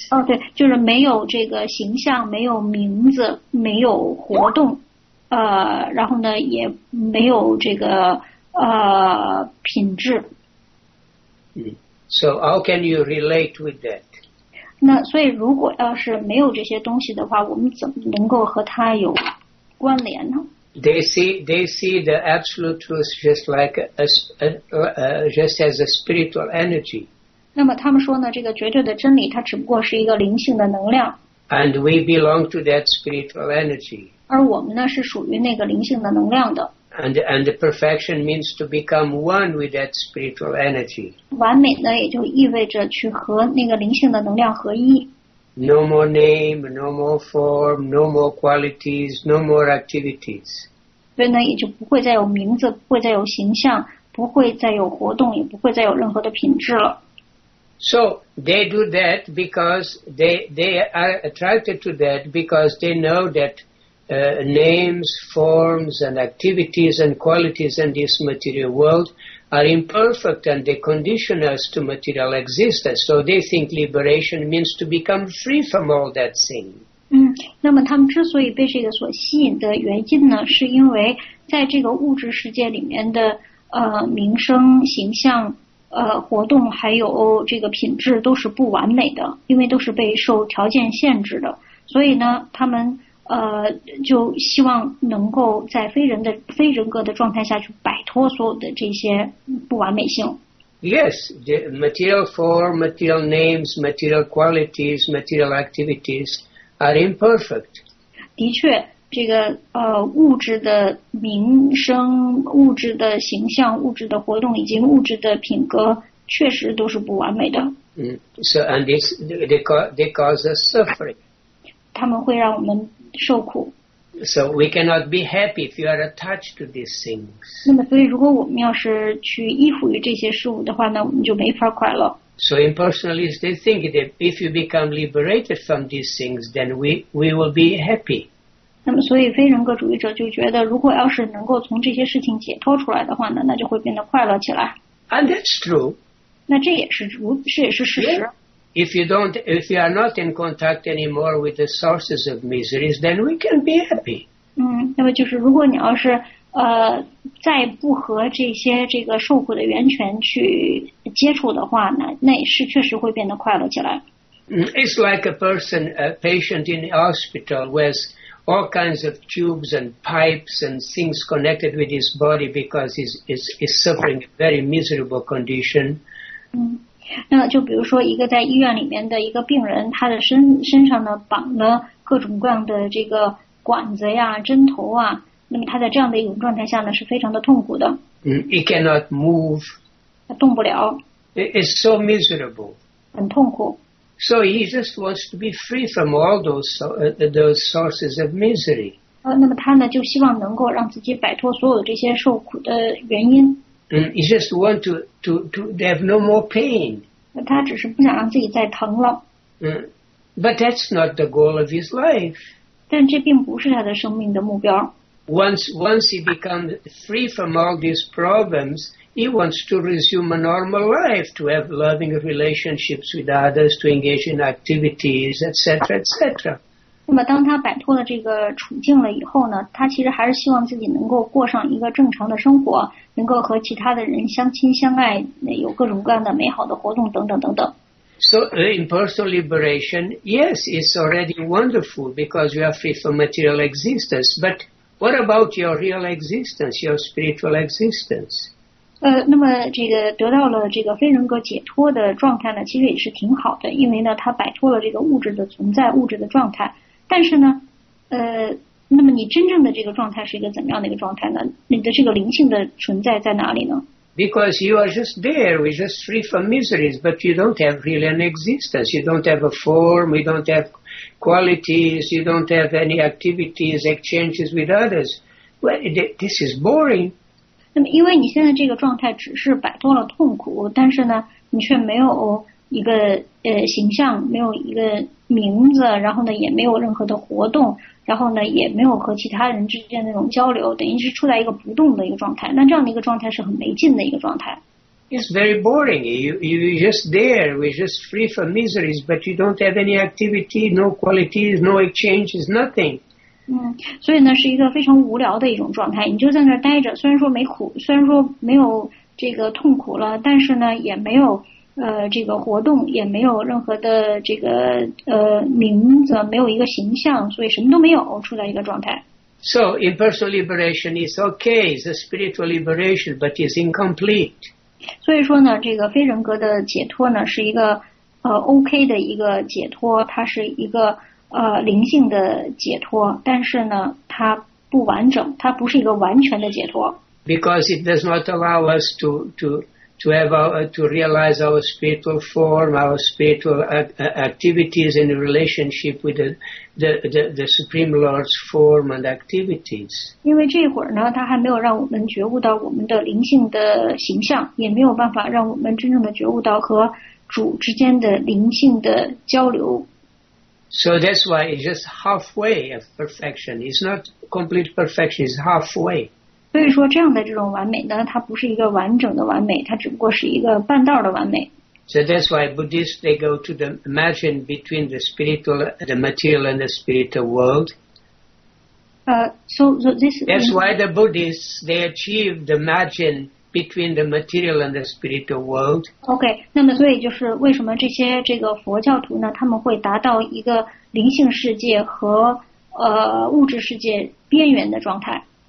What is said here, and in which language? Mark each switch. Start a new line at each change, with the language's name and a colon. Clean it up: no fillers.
Chinese: 哦，对，就是没有这个形象，没有名字，没有活动，然后呢，也没有这个品质。
English: So how can you relate with that?
Chinese: 那所以，如果要是没有这些东西的话，我们怎么能够和它有关联呢？
English: They see the absolute truth just like just as a spiritual energy.
Chinese: 那么他们说呢，这个绝对的真理它只不过是一个灵性的能量。
English: And we belong to that spiritual energy.
Chinese: 而我们呢是属于那个灵性的能量的。
English: And the perfection means to become one with that spiritual energy.
Chinese: 完美呢也就意味着去和那个灵性的能量合一。
English: No more name, no more form, no more qualities, no more activities.
Chinese: 所以呢，也就不会再有名字，不会再有形象，不会再有活动，也不会再有任何的品质了。
English: So they do that because they are attracted to that because they know that names, forms, and activities and qualities in this material world are imperfect and they condition us to material existence. So they think liberation means to become free from all that thing.
Chinese: 那么他们之所以被这个所吸引的原因呢，是因为在这个物质世界里面的名声、形象、活动还有这个品质都是不完美的，因为都是被受条件限制的。所以呢，他们就希望能够在非人格的状态下去摆脱所有的这些不完美性。
English: Yes, the material form, material names, material qualities, material activities. Are imperfect.
Chinese: 的确，这个物质的名声、物质的形象、物质的活动以及物质的品格，确实都是不完美的。
English: So and this they cause us suffering.
Chinese: 他们会让我们受苦。
English: So we cannot be happy if you are attached to these things.
Chinese: 那么，所以如果我们要是去依附于这些事物的话，那我们就没法快乐。
English: So impersonalists, they think that if you become liberated from these things, then we will be happy.
Chinese: 那么，所以非人格主义者就觉得，如果要是能够从这些事情解脱出来的话呢，那就会变得快乐起来。
English: And that's true.
Chinese: 那这也是事实。
English: Yeah. If you are not in contact anymore with the sources of miseries, then we can be happy.
Chinese: 那么就是如果你要是再不和这些这个受苦的源泉去接触的话呢，那也是确实会变得快乐起来。
English: It's like a patient in the hospital with all kinds of tubes and pipes and things connected with his body because he's suffering a very miserable condition.
Chinese: 那就比如说一个在医院里面的一个病人，他的身上呢绑了各种各样的这个管子呀、针头啊。那么他在这样的一种状态下呢，是非常的痛苦的。
English: He cannot move.
Chinese: 他动不了。
English: It's so miserable.
Chinese: 很痛苦。
English: So he just wants to be free from all those sources of misery.
Chinese: 那么他呢，就希望能够让自己摆脱所有这些受苦的原因。
English: He just wants to have no more pain.
Chinese: 他只是不想让自己再疼了。
English: But that's not the goal of his life.
Chinese: 但这并不是他的生命的目标。
English: Once he becomes free from all these problems, he wants to resume a normal life, to have loving relationships with others, to engage in activities, etc., etc.
Chinese: 那么，当他摆脱了这个处境了以后呢，他其实还是希望自己能够过上一个正常的生活，能够和其他的人相亲相爱，有各种各样的美好的活动等等等等。
English: So in personal liberation, yes, it's already wonderful because you are free from material existence, but What about your real existence, your spiritual existence?
Chinese: 那么这个得到了这个非人格解脱的状态呢，其实也是挺好的，因为呢，他摆脱了这个物质的存在、物质的状态。但是呢，那么你真正的这个状态是一个怎么样的一个状态呢？你的这个灵性的存在在哪里呢？
English: Because you are just there, we're just free from miseries, but you don't have really an existence. You don't have a form, you don't have... qualities, you don't have any activities, exchanges with others. Well, this is boring.
Chinese: 那么因为你现在这个状态只是摆脱了痛苦，但是呢，你却没有一个形象，没有一个名字，然后呢，也没有任何的活动，然后呢，也没有和其他人之间那种交流，等于是处在一个不动的一个状态。那这样的一个状态是很没劲的一个状态。
English: It's very boring. You're just there. We're just free from miseries, but you don't have any activity, no qualities, no exchanges, nothing.
Chinese: 所以呢，是一个非常无聊的一种状态。你就在那儿待着，虽然说没苦，虽然说没有这个痛苦了，但是呢，也没有这个活动，也没有任何的这个名字，没有一个形象，所以什么都没有，处在一个状态。
English: So impersonal liberation is okay. It's a spiritual liberation, but it's incomplete.
Chinese: 所以说呢，这个非人格的解脱呢，是一个OK 的一个解脱，它是一个灵性的解脱，但是呢，它不完整，它不是一个完全的解脱。
English: Because it does not allow us to have to realize our spiritual form, our spiritual activities in relationship with the Supreme Lord's form and activities.
Chinese: 因为这会儿呢，他还没有让我们觉悟到我们的灵性的形象，也没有办法让我们真正的觉悟到和主之间的灵性的交流。
English: So that's why it's just halfway of perfection. It's not complete perfection, it's halfway.
Chinese: 所以说这样的这种完美呢，它不是一个完整的完美，它只不过是一个半道的完美。
English: So that's why Buddhists, they go to the margin between the spiritual, the material and the spiritual world. So this That's why the Buddhists, they achieve the margin between the material and the spiritual world.
Chinese: Okay, 那么所以就是为什么这些这个佛教徒呢，他们会达到一个灵性世界和物质世界边缘的状态。